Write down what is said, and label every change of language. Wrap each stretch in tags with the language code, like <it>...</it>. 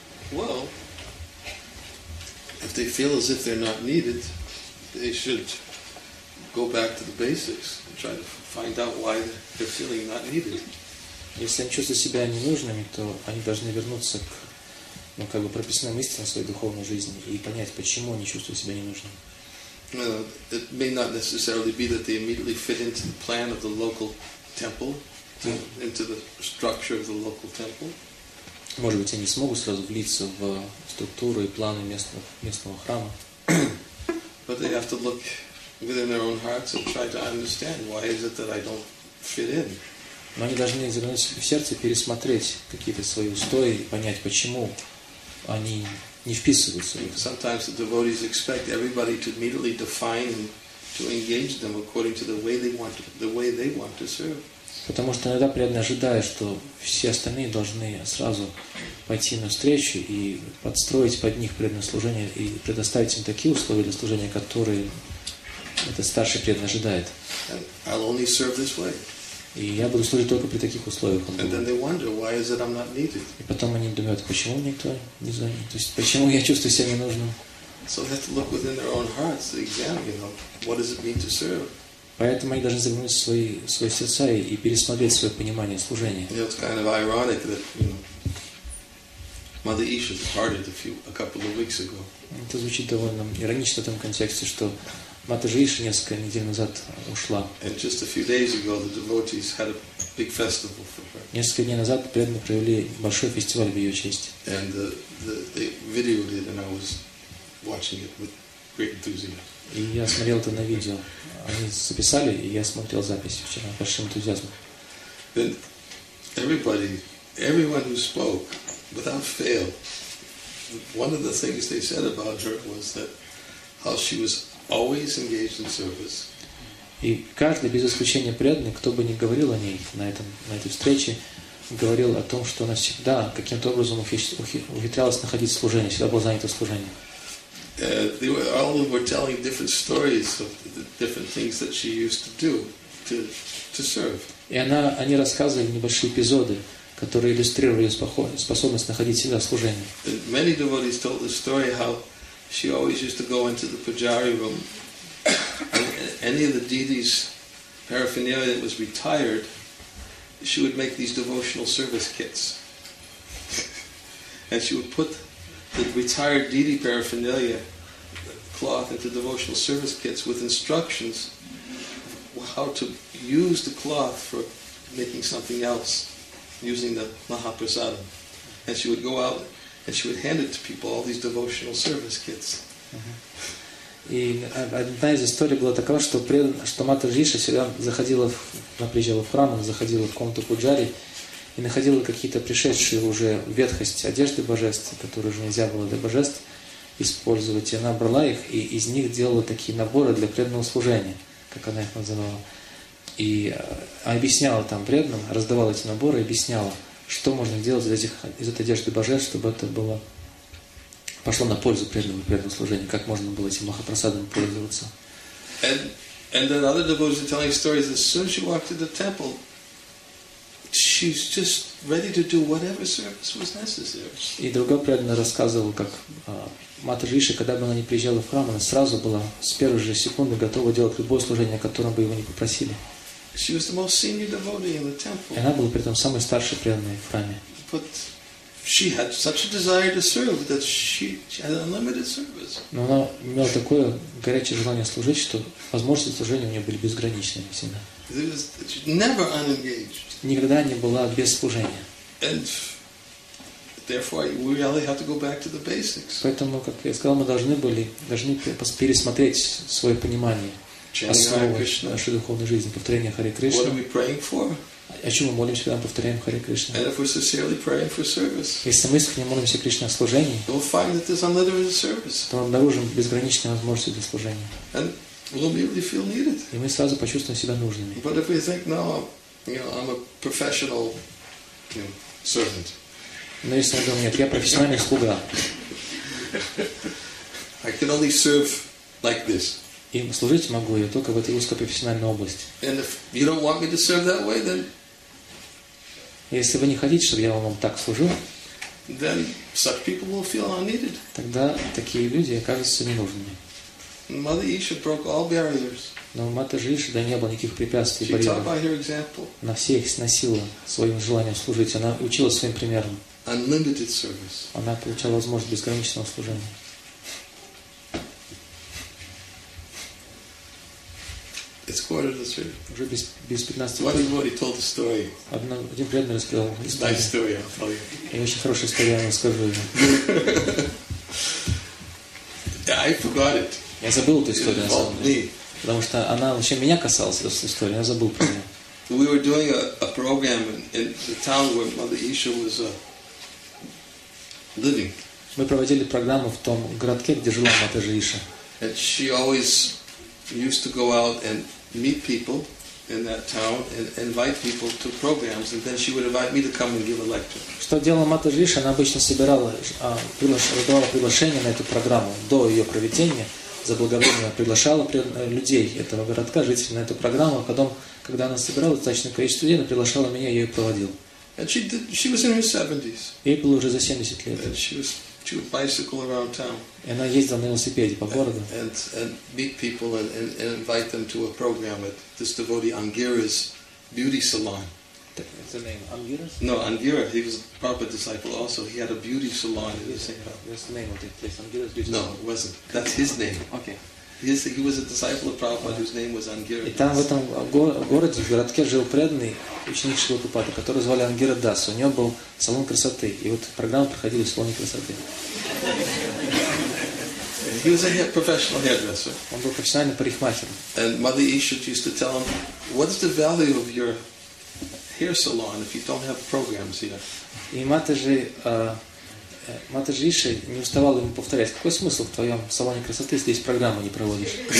<en>Well, if they feel as if they're not needed, they should go back to the basics and try to find out why they're feeling not needed.</en> <ru>Если они чувствуют себя ненужными, то они должны вернуться к, ну, как бы прописным истинам своей духовной жизни и понять, почему они чувствуют себя ненужными.</ru> <en>Well, it may not necessarily be that they immediately fit into the plan of the local temple, into the structure of the local temple.</en> <ru>Может быть, они смогут сразу влиться в структуру и планы местного храма.</ru> <en>But they have to look within their own hearts and try to understand why is it that I don't fit in.</en> <ru>Но они должны заглянуть в сердце, пересмотреть какие-то свои устои и понять, почему они не вписываются.</ru> <en>Sometimes the devotees expect everybody to immediately define and to engage them according to the way they want to serve.</en> <ru>Потому что иногда преданные ожидают, что все остальные должны сразу пойти навстречу и подстроить под них преданное служение и предоставить им такие условия для служения, которые этот старший преданный ожидает.</ru> <en>I'll only serve this way.</en> <ru>И я буду служить только при таких условиях.</ru> <en>And then they wonder, why is it I'm not needed?</en> <ru>И потом они думают, почему никто не звонит? То есть, почему я чувствую себя ненужным?</ru> <en>So they have to look within their own hearts, examine, you know, what does it mean to serve?</en> <ru>Поэтому они должны заглянуть в свои сердца и пересмотреть свое понимание служения.</ru> <en>You know, it's kind of ironic that, you know, Mother Isha departed a couple of weeks ago.</en> <ru>Это звучит довольно иронично в том контексте, что Матаджи Иша несколько недель назад ушла.</ru> <en>And just a few days ago, the devotees had a big festival for her.</en> <ru>Несколько дней назад преданные провели большой фестиваль в ее честь.</ru> <en>And they videoed it, and I was watching it with great enthusiasm.</en> <ru>И я смотрел это на видео. Они записали, и я смотрел запись вчера с большим энтузиазмом.</ru> <en>Then everyone who spoke, without fail, one of the things they said about her was that how she was always engaged in service.</en> <ru>И каждый, без исключения преданный, кто бы ни говорил о ней на этой встрече, говорил о том, что она всегда каким-то образом ухитрялась находить служение, всегда была занята служением.</ru> <en>They were all were telling different stories of the different things that she used to do to serve.</en> <ru>И они рассказывали небольшие эпизоды, которые иллюстрировали способность находить себя в служении.</ru> <en>And many devotees told the story how she always used to go into the pujari room. And any of the deities' paraphernalia that was retired, she would make these devotional service kits. And she would put the retired deity paraphernalia cloth into devotional service kits with instructions how to use the cloth for making something else, using the Mahaprasadam. And she would go out and she would hand it to people, all these devotional service kits.</en> <ru>И одна из историй была такова, что Матаджи Иша всегда заходила, она приезжала в храм, она заходила в комнату пуджари и находила какие-то пришедшие уже ветхость одежды божеств, которые уже нельзя было для божеств использовать. И она брала их и из них делала такие наборы для преданного служения, как она их называла. И объясняла там преданным, раздавала эти наборы и объясняла, что можно делать из этой одежды божеств, чтобы это было пошло на пользу преданному служению, как можно было этим махапрасадом пользоваться.</ru> <en>And then other devotees are telling stories that as soon as she walked into the temple, she's just ready to do whatever service was necessary.</en> <ru>И другой преданный рассказывал, как Матаджи Иша, когда бы она ни приезжала в храм, она сразу была с первой же секунды готова делать любое служение, о котором бы его ни попросили.</ru> <en>She was the most senior devotee in the temple.</en> <ru>И она была при этом самой старшей преданной в храме.</ru> <en>But she had such a desire to serve that she had unlimited service.</en> <ru>Но она имела такое горячее желание служить, что возможности служения у нее были безграничными всегда.</ru> <en>She was never unengaged.</en> <ru>Никогда не была без служения.</ru> <en>And therefore, we really have to go back to the basics.</en> <ru>Поэтому, как я сказал, мы должны пересмотреть свое понимание. Основа нашей духовной жизни, повторение Харе Кришны.</ru> <en>What are we praying for?</en> <ru>О чем мы молимся, когда мы повторяем Харе Кришны?</ru> <en>And if we're sincerely praying for service,</en> <ru>если мы искренне молимся Кришне о служении,</ru> <en>we'll find that there's unlimited service.</en> <ru>То обнаружим безграничные возможности для служения.</ru> <en>And we'll immediately feel needed.</en> <ru>И мы сразу почувствуем себя нужными.</ru> <en>But if we think, no, I'm a professional, servant.</en> <ru>Но если мы думаем, нет, я профессиональный слуга.</ru> <en>I can only serve like this.</en> <ru>И служить могу я только в этой узкопрофессиональной области.</ru> <en>And if you don't want me to serve that way, then...</en> <ru>Если вы не хотите, чтобы я вам так служил,</ru> <en>then such people will feel unneeded.</en> <ru>Тогда такие люди окажутся ненужными.</ru> <en>Mother Isha broke all barriers.</en> <ru>Но Матаджи Иша, да не было никаких препятствий, барьеров.</ru> <en>She taught by her example.</en> <ru>Она все их сносила своим желанием служить. Она учила своим примером.</ru> <en>Unlimited service.</en> <ru>Она получала возможность безграничного служения.</ru> <en>It's quarter to three.</en> <ru>Уже без 15.</ru> <en>One devotee told a story.</en> <ru>Один преданный рассказал историю.</ru> <en>Nice story, I'll tell you.</en> <ru>И очень хорошая история, я расскажу ее.</ru> <en>I forgot it.</en> <ru>Я забыл эту историю, на самом деле. Потому что она вообще меня касалась, эта история. Я забыл про нее.</ru> <en>We were doing a program in the town where Mother Isha was living.</en> <ru>Мы проводили программу в том городке, где жила Матаджи Иша.</ru> <en>And she always used to go out and meet people in that town and invite people to programs, and then she would invite me to come and give a lecture.</en> <ru>Что делала Матаджи Иша? Она обычно собирала, раздавала приглашения на эту программу до ее проведения, заблаговременно приглашала людей этого городка жителей на эту программу, а потом когда она собирала достаточное количество денег, приглашала меня, я ее проводил.</ru> <en>And she was in her 70s.</en> <ru>Ей было уже за 70 лет.</ru> <en>And she would bicycle around town.</en> <ru>И она ездила на велосипеде по городу.</ru> <en>And meet people and invite them to a program at this devotee Angira's beauty salon. What's the name? Angira? No, Angira. He was a proper disciple also. He had a beauty salon in the same house. What's the name of that place? Angira's beauty salon? No, it wasn't. That's his name. Okay. He was a disciple of Prabhupada whose name was Ангира.</en> <ru>И там в этом городе, в городке жил преданный ученик Шрилы Прабхупады, которого звали Ангира Дас. У него был салон красоты. И вот программа проходила в салоне красоты.</ru> <en>He was a professional hairdresser.</en> <ru>Он был профессиональным парикмахером.</ru> <en>And Mother Ishut used to tell him, what is the value of your hair salon if you don't have programs here?</en> <ru>И Матаджи Иши не уставал ему повторять, какой смысл в твоем салоне красоты, если здесь программу не проводишь.</ru>